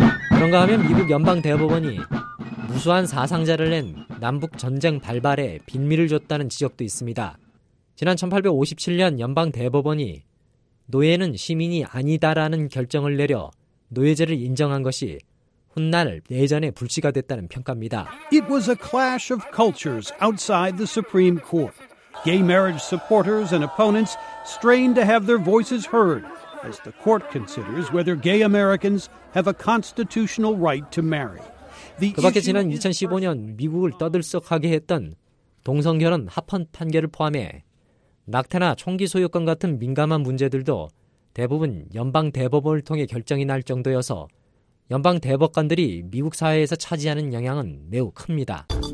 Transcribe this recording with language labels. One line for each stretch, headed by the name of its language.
Korean: 그런가 하면 미국 연방 대법원이 무수한 사상자를 낸 남북전쟁 발발에 빈미를 줬다는 지적도 있습니다. 지난 1857년 연방 대법원이 노예는 시민이 아니다라는 결정을 내려 노예제를 인정한 것이 훗날 내전의 불씨가 됐다는 평가입니다.
English: It was a clash of cultures outside the Supreme Court. Gay marriage supporters and opponents strained to have their voices heard as the court considers whether gay Americans have a constitutional right to marry.
Korean: 그 밖에 지난 2015년 미국을 떠들썩하게 했던 동성결혼 합헌 판결을 포함해 낙태나 총기 소유권 같은 민감한 문제들도 대부분 연방대법원을 통해 결정이 날 정도여서 연방대법관들이 미국 사회에서 차지하는 영향은 매우 큽니다.